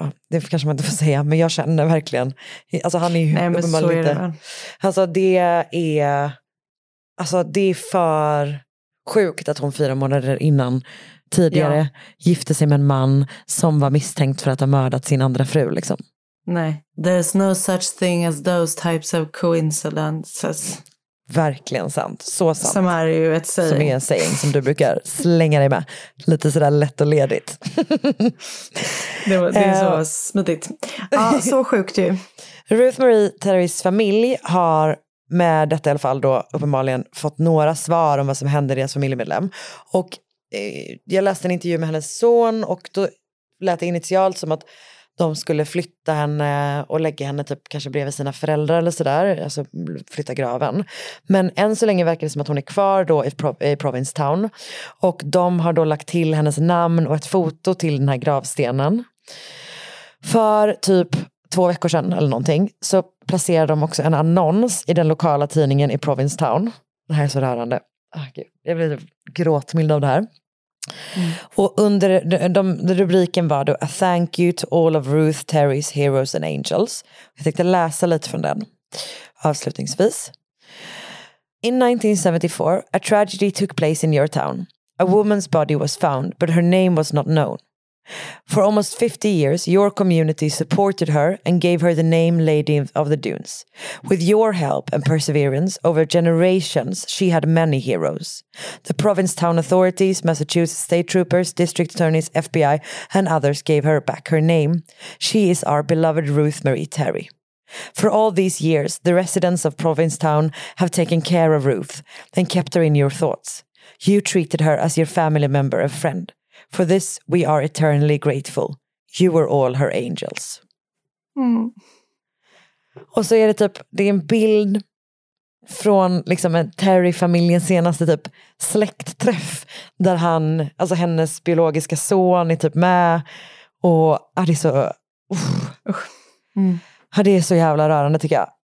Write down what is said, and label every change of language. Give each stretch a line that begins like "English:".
Swedish: Det kanske man inte får säga, men jag känner verkligen. Alltså han är ju uppenbar lite. Det. Alltså det är, alltså det är för sjukt att hon 4 månader innan tidigare ja. Gifte sig med en man som var misstänkt för att ha mördat sin andra fru liksom.
English: Nej, there's no such thing as those types of coincidences.
Swedish: Verkligen sant, så sant. Som är ju ett saying. Som är en saying som du brukar slänga dig med. Lite sådär lätt och ledigt. Det är så smidigt. Ja, så sjukt ju. Ruth Marie Terrys familj har med detta i alla fall då uppenbarligen fått några svar om vad som händer i deras familjemedlem. Och jag läste en intervju med hennes son och då lät det initialt som att de skulle flytta henne och lägga henne typ kanske bredvid sina föräldrar eller sådär. Alltså flytta graven. Men än så länge verkar det som att hon är kvar då i Provincetown. Och de har då lagt till hennes namn och ett foto till den här gravstenen. För typ 2 veckor sedan eller någonting så placerade de också en annons i den lokala tidningen i Provincetown. Det här är så rörande. Jag blir gråtmild av det här. Mm. Och under rubriken var då
English: A thank you to all of Ruth Terrys heroes and angels.
Swedish: Jag tänkte läsa lite från den avslutningsvis.
English: In 1974 a tragedy took place in your town. A woman's body was found but her name was not known. For almost 50 years your community supported her and gave her the name Lady of the Dunes. With your help and perseverance over generations she had many heroes. The Provincetown authorities, Massachusetts state troopers, district attorneys, FBI and others gave her back her name. She is our beloved Ruth Marie Terry. For all these years the residents of Provincetown have taken care of Ruth and kept her in your thoughts. You treated her as your family member and friend. For this we are eternally grateful. You were all her angels. Mm.
Swedish: Och så är det typ, det är en bild från liksom en Terry-familjens senaste typ släktträff där han, alltså hennes biologiska son är typ med och det är så det är så jävla rörande tycker jag.